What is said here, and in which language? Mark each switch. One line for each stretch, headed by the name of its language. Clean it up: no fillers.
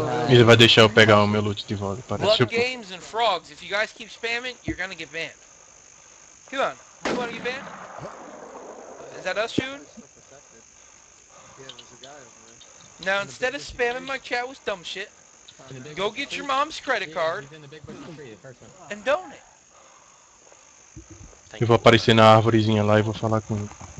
Portuguese: Ele vai deixar eu pegar o meu loot de volta, parece.
English: Luck Games and Frogs, if you guys keep spamming, you're gonna get banned. Come on, you wanna get banned? Is that us shooting? Now instead of spamming my chat with dumb shit, go get your mom's credit card and donate.
Portuguese: Eu vou aparecer na árvorezinha lá e vou falar com ele.